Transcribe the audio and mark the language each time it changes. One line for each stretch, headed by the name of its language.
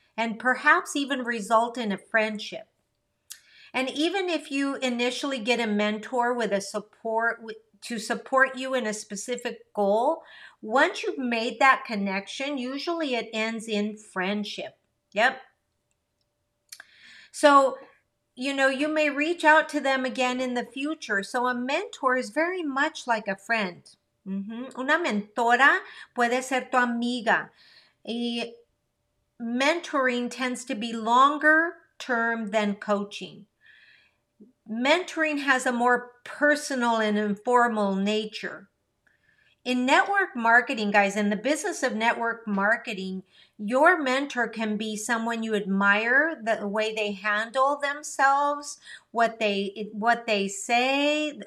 English: And perhaps even result in a friendship. And even if you initially get a mentor with a support to support you in a specific goal, once you've made that connection, usually it ends in friendship. Yep. So, you know, you may reach out to them again in the future. So a mentor is very much like a friend. Mm-hmm.
Spanish: Una mentora puede ser tu amiga.
English: Mentoring tends to be longer term than coaching. Mentoring has a more personal and informal nature. In network marketing, guys, in the business of network marketing, your mentor can be someone you admire, the way they handle themselves, what they say.